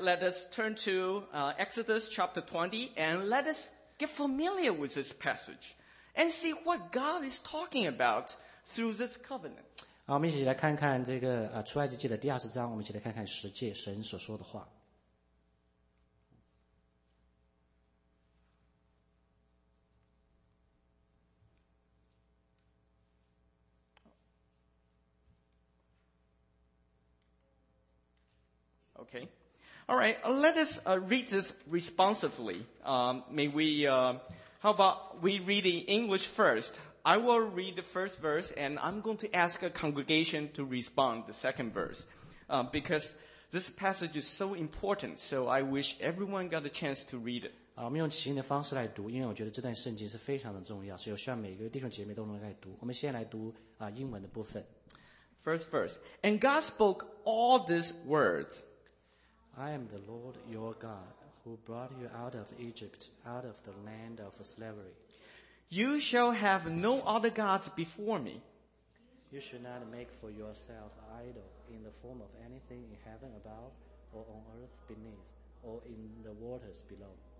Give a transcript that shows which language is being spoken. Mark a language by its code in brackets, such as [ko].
[en] let us turn to Exodus chapter 20 and let us get familiar with this passage and see what God is talking about through this covenant. [zh] 我们一起来看看这个出埃及记的第二十章我们一起来看看十诫神所说的话。 [en] Okay. All right, let us read this responsively. How about we read in English first? I will read the first verse and I'm going to ask a congregation to respond the second verse, because this passage is so important, so I wish everyone got a chance to read it. [zh] 啊，我们用起引的方式来读，因为我觉得这段圣经是非常的重要，所以我希望每个弟兄姐妹都能来读。我们先来读啊英文的部分。 [en] First verse, and God spoke all these words. I am the Lord your God, who brought you out of Egypt, out of the land of slavery. You shall have no other gods before me. You should not make for yourself an idol in the form of anything in heaven above, or on earth beneath, or in the waters below.